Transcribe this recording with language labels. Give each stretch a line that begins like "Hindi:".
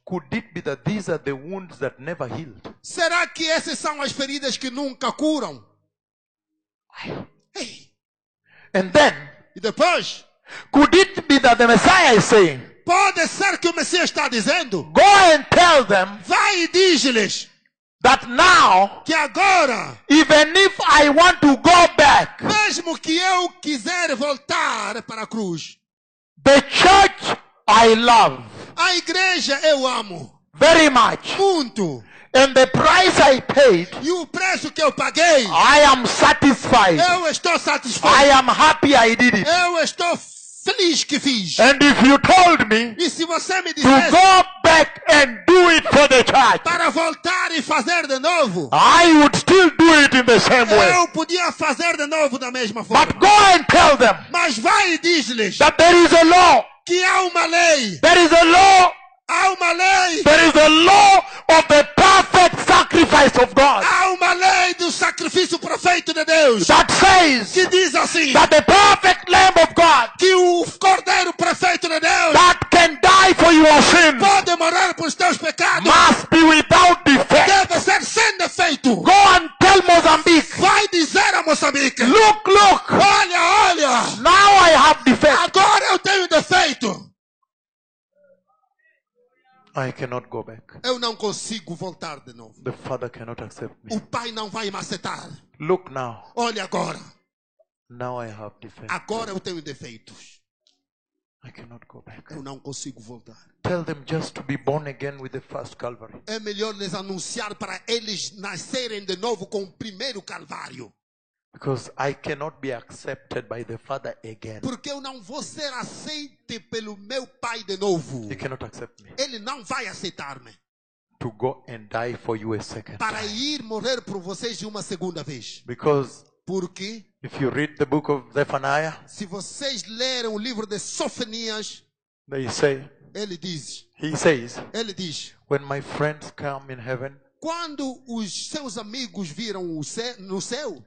English: Could it be that these are the wounds that never healed?
Portuguese: Será que essas são as feridas que nunca curam?
English: Why? Hey. And then,
Portuguese: e depois,
English: could it be that the Messiah is saying?
Portuguese: Pode ser que o Messias está dizendo.
English: Go and tell them.
Portuguese: Vai e diz-lhes.
English: That now,
Portuguese: que agora,
English: even if I want to go back,
Portuguese: mesmo que eu quiser voltar para a cruz,
English: the church I love,
Portuguese: a igreja eu amo,
English: very much,
Portuguese: muito,
English: and the price I paid,
Portuguese: e o preço que eu paguei,
English: I am satisfied,
Portuguese: eu estou satisfeito,
English: I am happy I did it,
Portuguese: eu estou feliz que fiz.
English: And if you told me,
Portuguese: e se você me dissesse,
English: to go back and do it for the church,
Portuguese: para voltar e fazer de novo,
English: I would still do it in the same way.
Portuguese: Eu podia fazer de novo da mesma forma.
English: But go and tell them,
Portuguese: mas vai e diz-lhes,
English: that there is a law,
Portuguese: que há uma lei,
English: there is a law,
Portuguese: há uma lei,
English: there is a law of the perfect sacrifice of God,
Portuguese: há uma lei. do sacrifício perfeito de Deus.
English: That says,
Portuguese: que diz assim.
English: That the perfect Lamb of God,
Portuguese: que o Cordeiro perfeito de Deus.
English: That can die for your sins,
Portuguese: pode morrer por os teus pecados.
English: Must be without defect,
Portuguese: deve ser sem defeito.
English: Go and tell Mozambique,
Portuguese: vai dizer a Moçambique.
English: Look, look.
Portuguese: Olha, olha.
English: Now I have defect.
Portuguese: Agora eu tenho defeito.
English: I cannot go back.
Portuguese: Eu não consigo voltar de novo.
English: The Father cannot accept me.
Portuguese: O Pai não vai me aceitar.
English: Look now.
Portuguese: Olhe agora.
English: Now I have defects.
Portuguese: Agora eu tenho defeitos.
English: I cannot go back.
Portuguese: Eu não consigo voltar.
English: Tell them just to be born again with the first Calvary.
Portuguese: É melhor lhes anunciar para eles nascerem de novo com o primeiro Calvário.
English: Because I cannot be accepted by the Father again.
Portuguese: Porque eu não vou ser aceito pelo meu Pai de novo.
English: He cannot accept me.
Portuguese: Ele não vai aceitar-me.
English: To go and die for you a second.
Portuguese: Para ir morrer por vocês uma segunda vez.
English: Because
Portuguese: porque
English: if you read the book of Zephaniah,
Portuguese: se vocês lerem o livro de Sofonias,
English: they say,
Portuguese: ele diz,
English: he says,
Portuguese: ele diz,
English: when my friends come in heaven,
Portuguese: quando os seus amigos viram no céu,